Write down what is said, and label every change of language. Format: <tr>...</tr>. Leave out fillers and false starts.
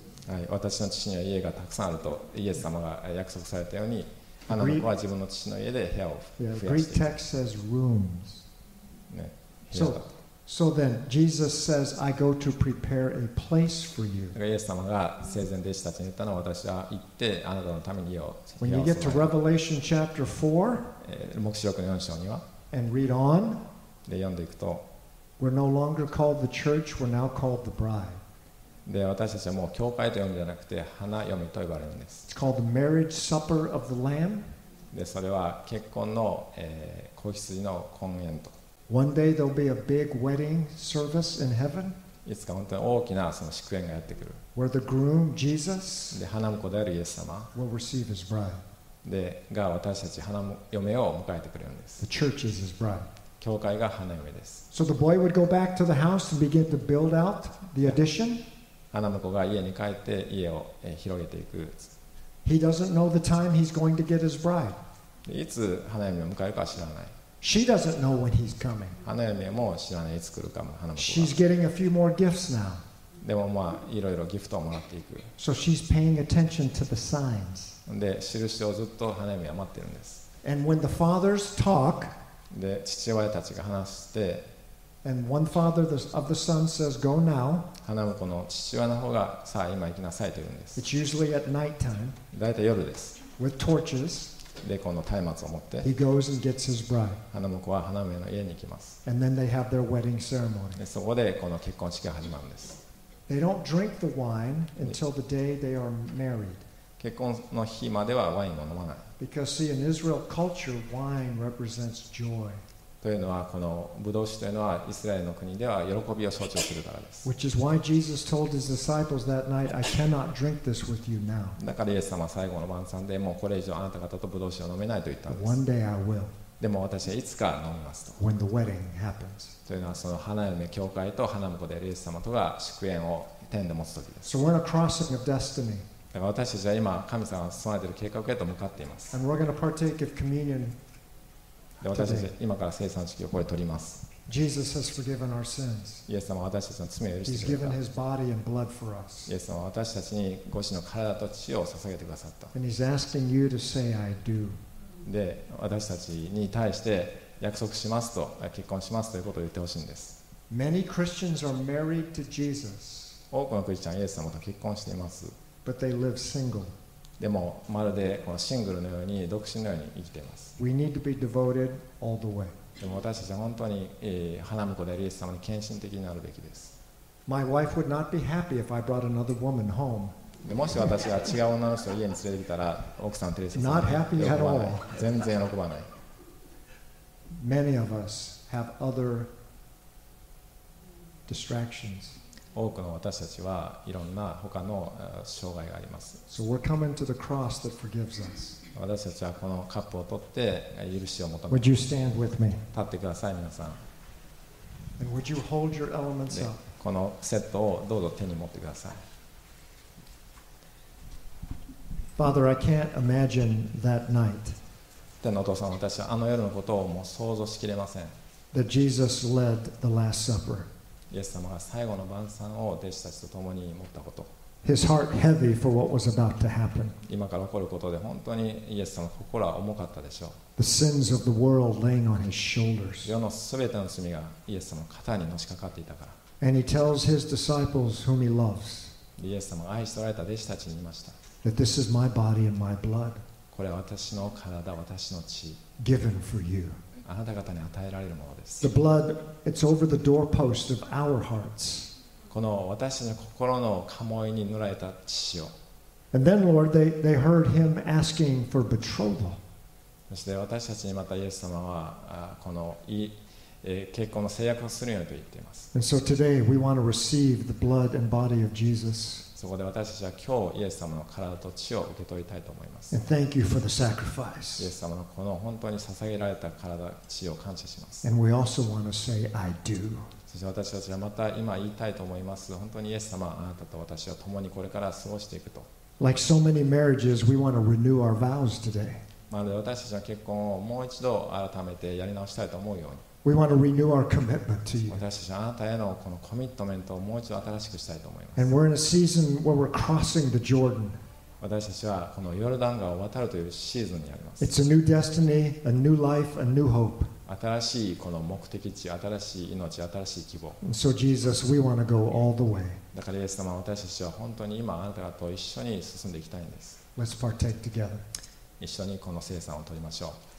<ja>はい、私の父には家がたくさんあるとイエス様が約束されたように、あの子は自分の父の家で部屋を増やしていく。</ja> <en>Greek text says rooms.</en> <ja>ね、</ja> <en>so, So then, Jesus says, I go to prepare a place for you.</en> <ja>イエス様が生前弟子たちに言ったのは、私は行ってあなたのために家を備える。</ja> <en>When you get to Revelation chapter 4,</en> <ja>黙示録の4章には、</ja> <en>and read on,</en> <ja>で読んでいくと、</ja> <en>we're no longer called the church, we're now called the bride.</en> <ja>で私たちはもう教会と読むんじゃなくて、花嫁と呼ばれるんです。</ja> <en>It's called the marriage supper of the Lamb.</en> <ja>でそれは結婚の、子羊の婚宴と。</ja> <en>One day there'll be a big wedding service in heaven.</en> <ja>いつか本当に大きなその祝宴がやってくる。</ja> <en>Where the groom Jesus</en> <ja>で花婿であるイエス様</ja> <en>will receive his bride.</en> <ja>でが私たち花嫁を迎えてくれるんです。</ja> <en>The church is his bride.</en> <ja>教会が花嫁です。</ja> <en>So the boy would go back to the house and begin to build out the addition.</en> <ja>花婿が家に帰って家を広げていく。</ja> <en>He doesn't know the time he's going to get his bride.</en> <ja>でいつ花嫁を迎えるか知らない。</ja> <en>She doesn't know when he's coming.</en> <ja>花嫁も知らない、いつ来るかも。花婿。</ja> <en>She's getting a few more gifts now.</en> <ja>でもまあいろいろギフトをもらっていく。</ja> <en>So she's paying attention to the signs.</en> <ja>で印をずっと花嫁は待ってるんです。</ja> <en>And when the fathers talk,</en> <ja>で父親たちが話して、</ja> <en>and one father of the son says, "Go now."</en> <ja>花婿の父親の方がさあ今行きなさいと言うんです。</ja> <en>It's usually at nighttime.</en> <ja>だいたい夜です。</ja> <en>With torches.</en> <ja>でこの松明を持って</ja> <en>He goes and gets his bride.</en> <ja>花婿は花嫁の家に行きます。</ja> <en>And then they have their wedding ceremony.</en> <ja>でそこでこの結婚式が始まるんです。</ja> <en>They don't drink the wine until the day they are married.</en> <ja>結婚の日まではワインを飲まない。</ja> <en>Because see, in Israel culture, wine represents joy.</en> <ja>というのはこのブドウ酒というのはイスラエルの国では喜びを象徴するからです。</ja> <en>Which is why Jesus told his disciples that night, I cannot drink this with you now.</en> <ja>だからイエス様は最後の晩餐でもうこれ以上あなた方とブドウ酒を飲めないと言ったんです。</ja> <en>One day I will.</en> <ja>でも私はいつか飲みますと。</ja> <en>When the wedding happens.</en> <ja>というのはその花嫁教会と花婿でイエス様とが祝宴を天で持つ時です。</ja> <en>So we're in a crossing of destiny.</en> <ja>だから私たちは今神様が備えている計画へと向かっています。</ja> <en>And we're going to partake of communion.</en> <ja>で私たち今から聖餐式をこれ取ります。イエス様は私たちの罪を許してくれた。</ja> <en>He's given his body and blood for us.</en> <ja>イエス様は私たちにご自身の体と血を捧げてくださった。</ja> <en>And he's asking you to say, I do.</en> <ja>で私たちに対して約束します、と結婚しますということを言ってほしいんです。</ja> <en>Many Christians are married to Jesus.</en> <ja>多くのクリスチャンはイエス様と結婚しています。</ja> <en>But they live single.</en> <ja>でもまるでこのシングルのように独身のように生きています。</ja> <en>We need to be devoted all the way.</en> <ja>でも私たちは本当に、花婿でイエス様に献身的になるべきです。</ja> <en>My wife would not be happy if I brought another woman home.</en> <ja>でもし私が違う女の人を家に連れてきたら奥さんテレサさんは喜ばない。</ja> <en>Not happy at all.</en> <ja>全然喜ばない。</ja> <en>Many of us have other distractions.</en> <ja>多くの私たちはいろんな他の障害があります。</ja> <en>So、we're coming to the cross that forgives us.</en> <ja>私たちはこのカップを取って許しを求めます。</ja> <en>Would you stand with me?</en> <ja>立ってください皆さん。</ja> <en>And would you hold your elements up?</en> <ja>このセットをどうぞ手に持ってください。</ja> <en>Father, I can't imagine that night.</en> <ja>天のお父さん、私はあの夜のことをもう想像しきれません。</ja> <en>That Jesus led the Last Supper.</en> <ja>イエス様が最後の晩餐を弟子たちと共に持ったこと。</ja> <en>His heart heavy for what was about to happen.</en> <ja>今から起こることで本当にイエス様の心は重かったでしょう。</ja> <en>The sins of the world laying on his shoulders.</en> <ja>世のすべての罪がイエス様の肩にのしかかっていたから。</ja> <en>And he tells his disciples whom he loves.</en> <ja>イエス様が愛しておられた弟子たちに言いました。</ja> <en>That this is my body and my blood.</en> <ja>これは私の体、私の血。</ja> <en>Given for you.</en> <ja>あなた方に与えられるものです。</ja> <en>The blood, it's over the doorpost of our hearts.</en> <ja>この私の心の鴨居に塗られた血を。</ja> <en>And then, Lord, they heard him asking for betrothal.</en> <ja>そして私たちにまたイエス様はこの結婚の誓約をするようにと言っています。</ja> <en>And so today, we want to receive the blood and body of Jesus.</en> <ja>そこで私たちは今日イエス様の体と血を受け取りたいと思います。</ja> <en>And thank you for the sacrifice.</en> <ja>イエス様のこの本当に捧げられた体、血を感謝します。</ja> <en>And we also want to say, I do.</en> <ja>そして私たちはまた今言いたいと思います。本当にイエス様、あなたと私は共にこれから過ごしていくと。</ja> <en>Like so many marriages, we want to renew our vows today.</en> <ja>まるで私たちの結婚をもう一度改めてやり直したいと思うように。</ja> <en>We want to renew our commitment to you.</en> <ja>私たちはあなたへのこのコミットメントをもう一度新しくしたいと思います。</ja> <en>And we're in a season where we're crossing the Jordan.</en> <ja>私たちはこのヨルダン川を渡るというシーズンにあります。</ja> <en>It's a new destiny, a new life, a new hope.</en> <ja>新しいこの目的地、新しい命、新しい希望。</ja> <en>So Jesus, we want to go all the way.</en> <ja>だからイエス様、私たちは本当に今あなたと一緒に進んでいきたいんです。</ja> <en>Let's partake together.</en> <ja>一緒にこの聖餐を取りましょう。</ja>